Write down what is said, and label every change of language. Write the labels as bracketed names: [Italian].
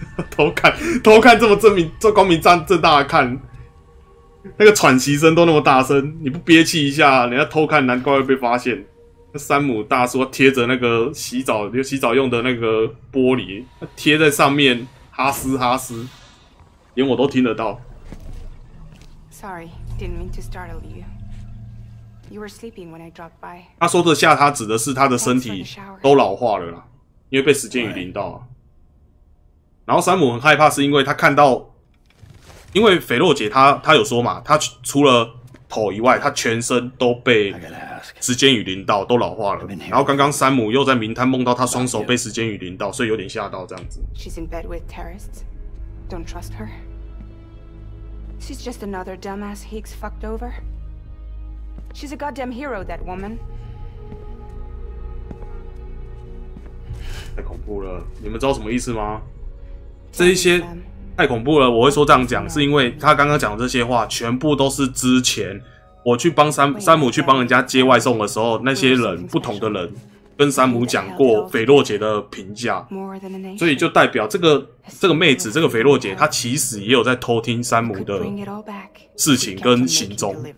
[Chinese] 偷看这么正明、这光明正大的看，那个喘息声都那么大声，你不憋气一下，人家偷看，难怪会被发现。那山姆大叔贴着那个洗澡用的那个玻璃，贴在上面，哈斯哈斯，连我都听得到。 [English] Sorry, didn't mean to startle you. You were sleeping when I dropped by. [Chinese] 他说的吓他，指的是他的身体都老化了啦，因为被时间雨淋到、啊。然后山姆很害怕，是因为他看到，因为斐洛姐他有说嘛，他除了头以外，他全身都被时间雨淋到，都老化了。然后刚刚山姆又在名探梦到他双手被时间雨淋到，所以有点吓到这样子。 [English] She's in bed with terrorists. Don't trust her. She's just another dumbass Higgs fucked over. She's a goddamn hero, that woman. [Chinese] 太恐怖了，你们知道什么意思吗？这一些太恐怖了，我会说这样讲，是因为他刚刚讲的这些话，全部都是之前我去帮山姆去帮人家接外送的时候，那些人不同的人跟山姆讲过斐洛姐的评价，所以就代表这个妹子，这个斐洛姐，她其实也有在偷听山姆的事情跟行踪。